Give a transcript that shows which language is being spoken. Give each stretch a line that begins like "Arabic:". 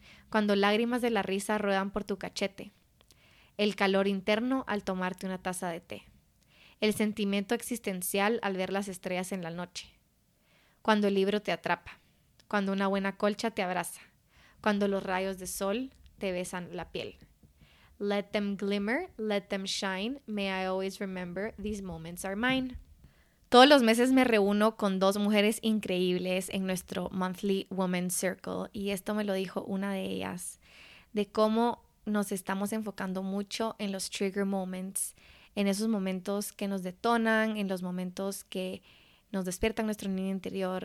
Spanish: Cuando lágrimas de la risa ruedan por tu cachete. El calor interno al tomarte una taza de té. El sentimiento existencial al ver las estrellas en la noche. Cuando el libro te atrapa. Cuando una buena colcha te abraza. Cuando los rayos de sol te besan la piel.
English: Let them glimmer, let them shine. May I always remember these moments are mine.
Spanish: Todos los meses me reúno con dos mujeres increíbles en nuestro Monthly Women's Circle. Y esto me lo dijo una de ellas. De cómo nos estamos enfocando mucho en los trigger moments. En esos momentos que nos detonan. En los momentos que nos despiertan nuestro niño interior.